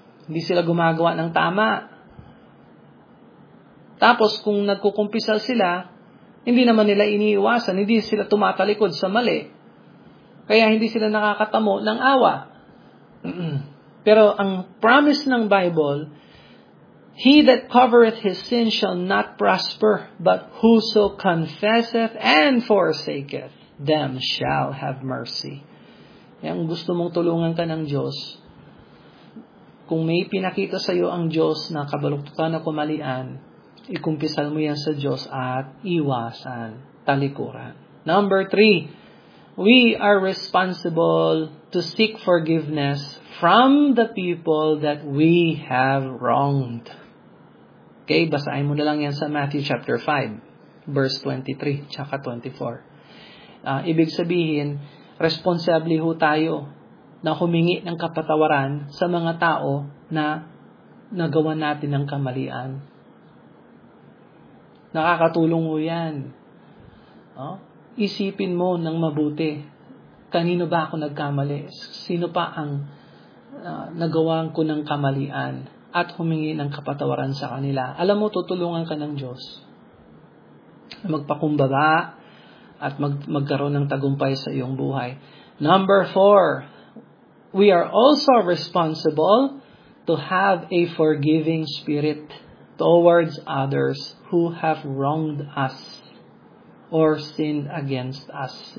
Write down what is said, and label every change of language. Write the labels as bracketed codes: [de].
[tl] Hindi sila gumagawa ng tama. Tapos kung nagkukumpisal sila, hindi naman nila iniiwasan, hindi sila tumatalikod sa mali. Kaya hindi sila nakakatamo ng awa. Pero ang promise ng Bible, [en] He that covereth his sin shall not prosper, but whoso confesseth and forsaketh them shall have mercy. [tl] Yung gusto mong tulungan ka ng Diyos, kung may pinakita sa iyo ang Diyos na kabaluktutan na kumalian, ikumpisal mo yan sa Diyos at iwasan, talikuran. [en] Number 3, we are responsible to seek forgiveness from the people that we have wronged. [tl] Okay, basahin mo na lang yan sa Matthew chapter 5, verse 23, tsaka 24. Ibig sabihin, responsable ho tayo na humingi ng kapatawaran sa mga tao na nagawa natin ng kamalian. Nakakatulong ho yan. Isipin mo ng mabuti. Kanino ba ako nagkamali? Sino pa ang nagawaan ko ng kamalian at humingi ng kapatawaran sa kanila? Alam mo, tutulungan ka ng Diyos. Magpakumbaba at magkaroon ng tagumpay sa iyong buhay. [en] Number 4, we are also responsible to have a forgiving spirit towards others who have wronged us or sinned against us.